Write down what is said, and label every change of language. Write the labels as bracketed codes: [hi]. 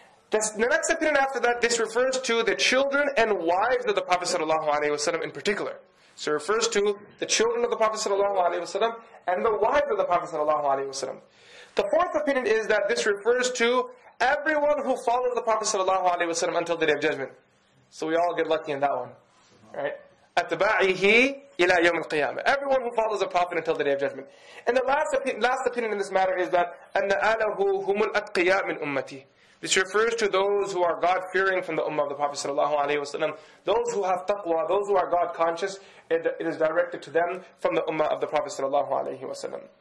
[en] The next opinion after that, this refers to the children and wives of the Prophet sallallahu alaihi wasallam in particular. So it refers to the children of the Prophet sallallahu alaihi wasallam and the wives of the Prophet sallallahu alaihi wasallam. The fourth opinion is that this refers to everyone who followed the Prophet sallallahu alaihi wasallam until the Day of Judgment. So we all get lucky in that one. Right, [ar] أتباعه إلى يوم القيامة. [en] Everyone who follows a prophet until the Day of Judgment. And the last opinion in this matter is that [ar] أن آله هم الأتقياء من أمتي. [en] This refers to those who are God fearing from the Ummah of the Prophet sallallahu alaihi wasallam. Those who have taqwa, those who are God conscious, it is directed to them from the Ummah of the Prophet sallallahu alaihi wasallam.